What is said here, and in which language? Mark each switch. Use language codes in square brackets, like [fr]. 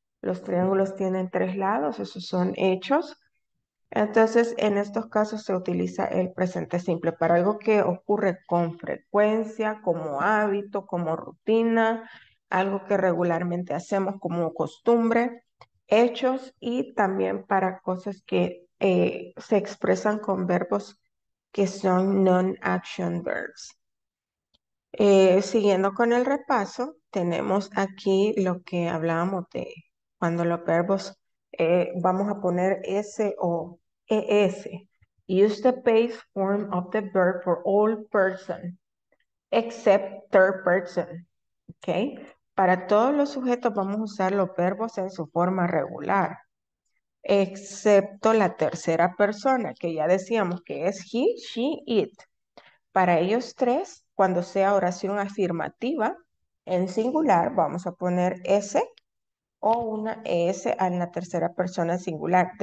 [es] Los triángulos tienen tres lados, esos son hechos. Entonces, en estos casos se utiliza el presente simple para algo que ocurre con frecuencia, como hábito, como rutina, algo que regularmente hacemos como costumbre, hechos y también para cosas que se expresan con verbos que son non-action verbs. Siguiendo con el repaso, tenemos aquí lo que hablábamos de cuando los verbos, vamos a poner S o ES. [en] Use the base form of the verb for all person, except third person. Okay? [es] Para todos los sujetos vamos a usar los verbos en su forma regular, excepto la tercera persona, que ya decíamos que es [en] he, she, it. [es] Para ellos tres, cuando sea oración afirmativa, en singular, vamos a poner S o una ES en la tercera persona en singular.